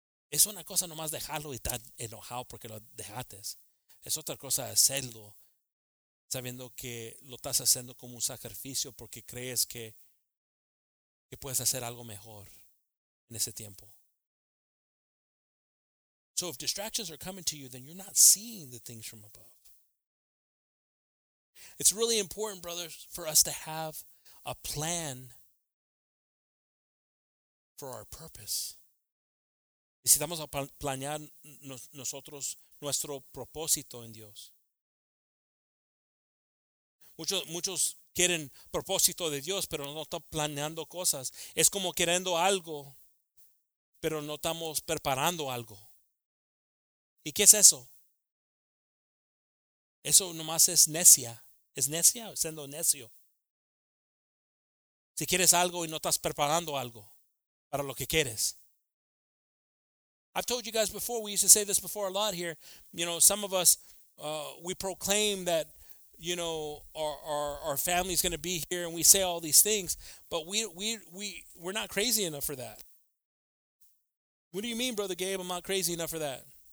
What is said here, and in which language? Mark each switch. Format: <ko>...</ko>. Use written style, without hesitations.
<es>Es una cosa nomás dejarlo y estar enojado porque lo dejaste. Es otra cosa hacerlo sabiendo que lo estás haciendo como un sacrificio porque crees que puedes hacer algo mejor en ese tiempo.</es> <en>So if distractions are coming to you, then you're not seeing the things from above. It's really important, brothers, for us to have a plan for our purpose.</en> <es>Necesitamos planear nosotros nuestro propósito en Dios. Muchos quieren propósito de Dios, pero no están planeando cosas. Es como queriendo algo pero no estamos preparando algo. ¿Y qué es eso? Eso nomás es necia. ¿Es necia? Siendo necio. Si quieres algo y no estás preparando algo para lo que quieres.</es> <en>I've told you guys before, we used to say this before a lot here. You know, some of us, we proclaim that, you know, our family's going to be here and we say all these things, but we're not crazy enough for that. What do you mean, Brother Gabe? I'm not crazy enough for that.</en>